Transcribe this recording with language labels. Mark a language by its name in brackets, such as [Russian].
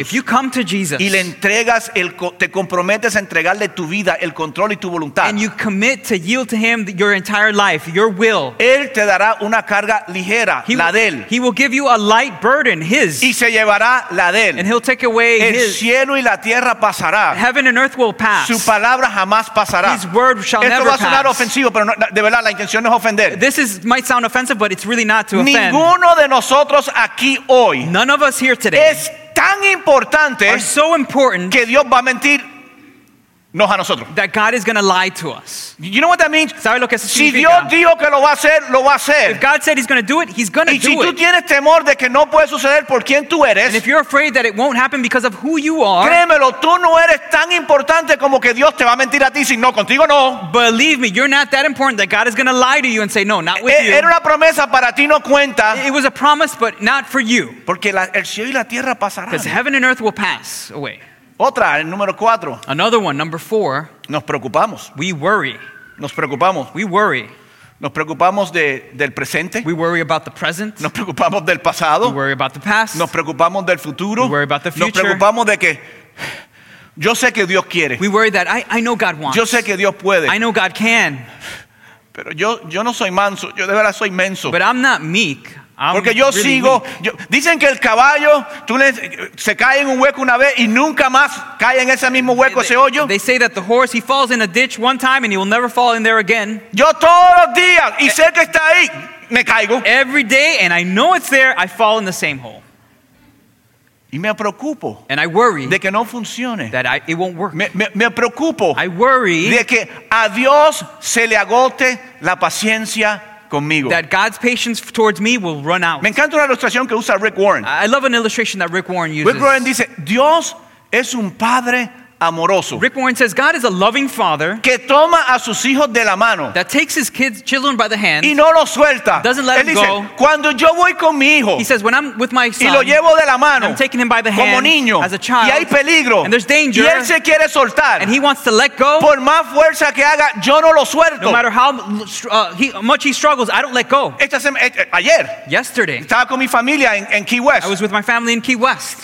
[English] if you come to Jesus, [Spanish] y le entregas el te comprometes a entregarle tu vida, el control y tu voluntad. [English] And you commit to yield to him your entire life, your will. [Spanish] Él te dará una carga ligera, la de él. [English] He will give you a light burden, his. [Spanish] Y se llevará la de él. [English] And he'll take away [Spanish] el [English] his. [Spanish] El cielo y la tierra pasará. [English] Heaven and earth will pass. [Spanish] Su palabra jamás pasará. [English] His word shall [Spanish] Esto [English] never pass. [Spanish] Esto va a sonar ofensivo, pero no, de verdad la intención no es ofender. [English] This is might sound offensive, but it's really not to [Spanish] Ninguno [English] offend. [Spanish] Ninguno de nosotros aquí hoy. [English] None of us here today. [Spanish] Es tan importante [English] so important [Spanish] que Dios va a mentir no a nosotros. [English] That God is going to lie to us. You know what that means? [Spanish] ¿Sabe lo que eso significa? Si Dios dijo que lo va a hacer, lo va a hacer. [English] If God said he's going to do it, he's going to do it. [Spanish] Y si tú tienes temor de que no puede suceder por quien tú eres, [English] and if you're afraid that it won't happen because of who you are, [Spanish] créemelo, tú no eres tan importante como que Dios te va a mentir a ti si no, contigo no. [English] Believe me, you're not that important that God is going to lie to you and say no, not with you. [Spanish] Era una promesa para ti, no cuenta. [English] It was a promise, but not for you. [Spanish] Porque el cielo y la tierra pasarán. [English] Because heaven and earth will pass away. [Spanish] Otra, el número cuatro. [English] Another one, number four. [Spanish] Nos preocupamos. [English] We worry. [Spanish] Nos preocupamos. [English] We worry. [Spanish] Nos preocupamos del presente. [English] We worry about the present. [Spanish] Nos preocupamos del pasado. [English] We worry about the past. [Spanish] Nos preocupamos del futuro. [English] We worry about the future. [Spanish] Nos preocupamos de que yo sé que Dios quiere. [English] We worry that I know God wants. [Spanish] Yo sé que Dios puede. [English] I know God can. [Spanish] Pero yo no soy manso. Yo de verdad soy menso. [English] But I'm not meek. [Spanish] Porque yo [English] really [Spanish] sigo. Yo, dicen que el caballo tú le, se cae en un hueco una vez y nunca más cae en ese mismo hueco, [English] they, [Spanish] ese hoyo. [English] They say that the horse, he falls in a ditch one time and he will never fall in there again. [Spanish] Yo todos los días y sé que está ahí, me caigo. [English] Every day and I know it's there, I fall in the same hole. [Spanish] Y me preocupo [English] and I worry [Spanish] de que no funcione. [English] That it won't work. [Spanish] Me preocupo [English] I worry [Spanish] de que a Dios se le agote la paciencia. [English] That God's patience towards me will run out. [Spanish] Me encanta una ilustración que usa Rick Warren. [English] I love an illustration that Rick Warren uses. [Spanish] Rick Warren dice, Dios es un padre amoroso. [English] Rick Warren says, God is a loving father [Spanish] que toma a sus hijos de la mano. [English] That takes his kids, children by the hand [Spanish] y no los suelta. [English] Doesn't let [Spanish] Él [English] him [Spanish] dice, [English] go. [Spanish] Cuando yo voy con mi hijo, [English] he says, when I'm with my son [Spanish] y lo llevo de la mano, [English] I'm taking him by the hand [Spanish] como niño, [English] as a child [Spanish] y hay peligro, [English] and there's danger [Spanish] y él se quiere soltar, [English] and he wants to let go. [Spanish] Por más fuerza que haga, yo no lo suelto. [English] No matter how much he struggles, I don't let go. [Spanish] Ayer, [English] yesterday, [Spanish] estaba con mi familia en Key West. [English] I was with my family in Key West.